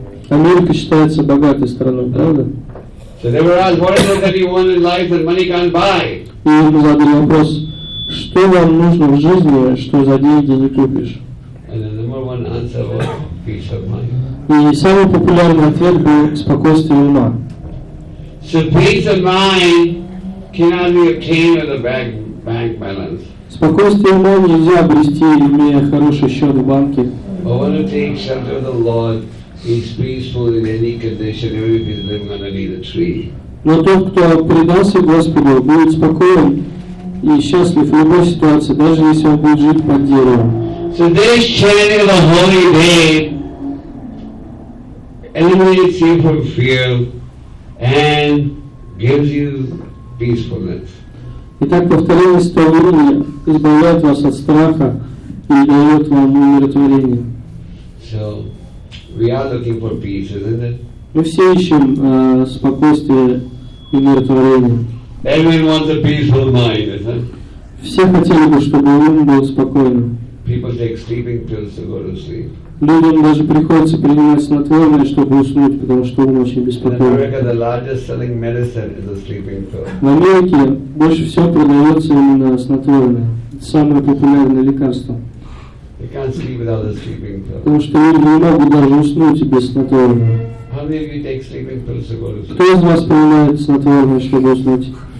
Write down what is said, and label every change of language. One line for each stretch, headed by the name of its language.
Russian: Америка считается богатой страной, правда?
English: So they were asked, what is it that you want in life that money can't buy?
Russian: И им задали вопрос: что вам нужно в жизни, что за деньги не купишь?
English: And the number one answer was peace of mind.
Russian: И самый популярный ответ был спокойствие ума.
English: So peace of mind cannot be obtained with a bank balance.
Russian: Спокойствие ума нельзя обрести, имея хороший счет в банке.
English: But one who takes shelter of the Lord is peaceful in any condition, even if he's living underneath a tree.
Russian: Но тот, кто предался Господу, будет спокоен и счастлив в любой ситуации, даже если он будет жить под деревом.
English: So this chanting of the holy name eliminates you from fear and gives you peacefulness.
Russian: Итак, повторение святого имени избавляет вас от страха и дает вам умиротворение.
English: So we are looking for peace, isn't it?
Russian: Мы все ищем спокойствие и умиротворение.
English: Everyone wants a peaceful mind, isn't it?
Russian: Все хотели бы, чтобы ум был спокойным.
English: People take sleeping pills to go to sleep.
Russian: Людям даже приходится принимать снотворное, чтобы уснуть, потому что ум очень беспокоен.
English: In America, the largest selling medicine is a sleeping pill.
Russian: В Америке больше всего продается именно снотворное, самое популярное лекарство.
English: They can't sleep without a sleeping pill.
Russian: Потому что люди не могут даже уснуть без снотворного.
English: How many of you take sleeping pills to go to sleep?
Russian: Кто из вас принимает снотворное, чтобы уснуть?